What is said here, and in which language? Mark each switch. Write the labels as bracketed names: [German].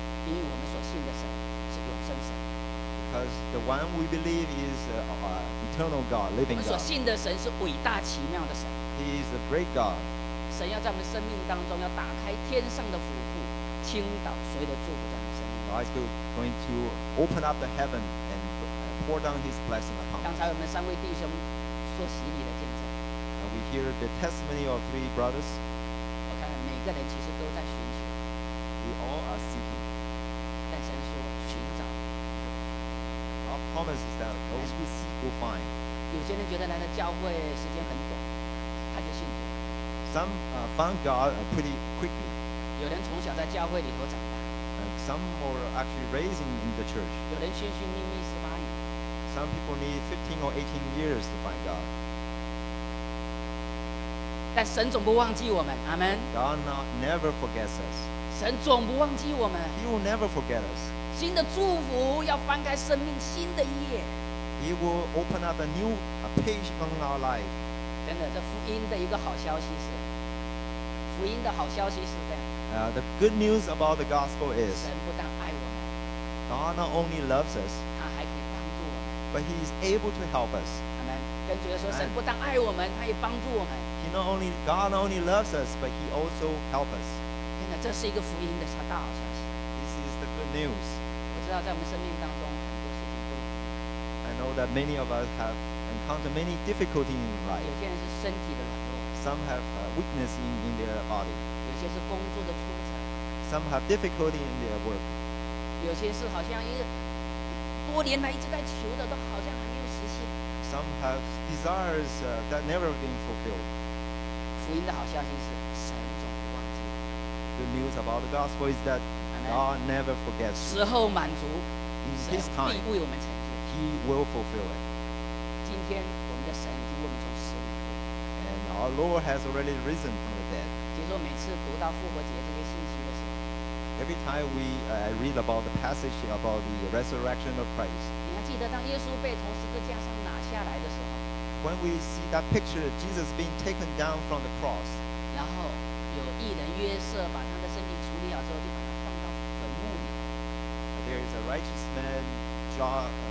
[Chinese] 因为我们所信的神是永生神。 [English] Because the one we believe is eternal God, living God. [Chinese] 我们所信的神是伟大奇妙的神。 [English] He is a great God. [Chinese] 神要在我们生命当中要打开天上的府库，倾倒所有的祝福在我们生命。 [English] God is going to open up the heaven and pour down His blessing upon us. [Chinese] 刚才我们三位弟兄说洗礼的见证。 [English] And we hear the testimony of three brothers. [Chinese] 每个人其实都在寻求。 [English] We all are seeking. [Chinese] 但神说寻找。 [English] Our promise is that those who seek will find. [Chinese] 有些人觉得来到教会时间很短，他就信主。 [English] Some found God pretty quickly. [Chinese] 有人从小在教会里头长大。 [English] Some were actually raised in the church. [Chinese] 有人寻寻觅觅十八年。 [English] Some people need 15 or 18 years to find God. [Chinese] 但神总不忘记我们，阿门。 [English] God never forgets us. [Chinese] 神总不忘记我们。 [English] He will never forget us. [Chinese] 新的祝福要翻开生命新的一页。 [English] He will open up a new page on our life. [Chinese] 真的，这福音的一个好消息是，福音的好消息是这样。 [English] The good news about the gospel is. [Chinese] 神不但爱我们。 [English] God not only loves us. [Chinese] 他还可以帮助我们。 [English] But He is able to help us. [Chinese] 阿门。跟主耶稣说，神不但爱我们，他也帮助我们。 [English] God not only loves us, but He also helps us. [Chinese] 真的，这是一个福音的大好消息。 [English] This is the good news. [Chinese] 我知道在我们生命当中很多事情都。 [English] I know that many of us have encountered many difficulties in life. [Chinese] 有些人是身体的软弱。 [English] Some have weakness in their body. [Chinese] 有些是工作的出差。 [English] Some have difficulty in their work. [Chinese] 有些是好像一多年来一直在求的，都好像还没有实现。 [English] Some have desires that never been fulfilled. [Chinese] 福音的好消息是神总不忘记。 [English] The news about the gospel is that God never forgets. [Chinese] 时候满足， [English] in His time, [Chinese] 必为我们成就。 [English] He will fulfill it. [Chinese] 今天我们的神已经为我们从死里。 [English] And our Lord has already risen from the dead. [Chinese] 其实我每次读到复活节这些信息的时候， [English] Every time we read about the passage about the resurrection of Christ, when we see that picture of Jesus being taken down from the cross, there is a righteous man, John.